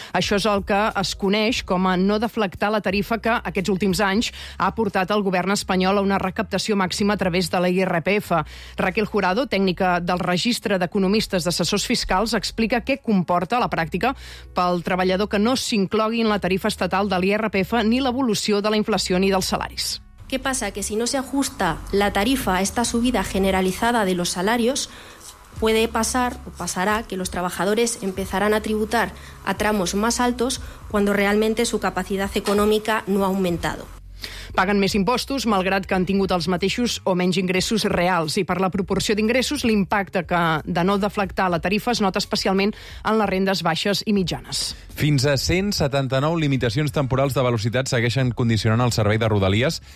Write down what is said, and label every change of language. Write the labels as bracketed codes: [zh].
[ca] Això és el que es coneix com a no deflactar la tarifa que aquests últims anys ha portat el govern espanyol a una recaptació màxima a través de la IRPF. Raquel Jurado, tècnica del Registre d'Economistes d'Assessors Fiscals, explica què comporta la pràctica pel treballador que no s'inclogui en la tarifa estatal de l'IRPF ni l'evolució de la inflació ni dels salaris. [es] ¿Qué pasa? Que si no se ajusta la tarifa a esta subida generalizada de los salarios, puede pasar o pasará que los trabajadores empezarán a tributar a tramos más altos cuando realmente su capacidad económica no ha aumentado. [ca] Paguen més impostos, malgrat que han tingut els mateixos o menys ingressos reals. I per la proporció d'ingressos, l'impacte que de no deflactar la tarifa es nota especialment en les rendes baixes i mitjanes. Fins a 179 limitacions temporals de velocitat segueixen condicionant el servei de Rodalies.